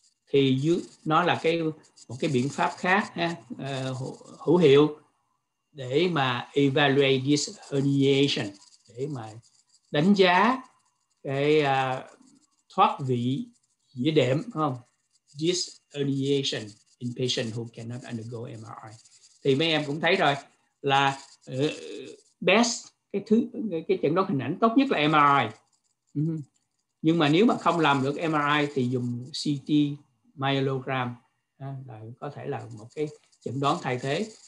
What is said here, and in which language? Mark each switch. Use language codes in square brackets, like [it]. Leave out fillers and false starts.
[vi] Thì nó là cái một cái biện pháp khác ha, hữu hiệu để mà [en] evaluate this herniation, [vi] để mà đánh giá cái thoát vị dĩa đệm, không? [en] This herniation in patient who cannot undergo MRI. [vi] Thì mấy em cũng thấy rồi là best, cái chẩn đoán hình ảnh tốt nhất là MRI. Nhưng mà nếu mà không làm được MRI thì dùng CT myelogram là có thể là một cái chẩn đoán thay thế.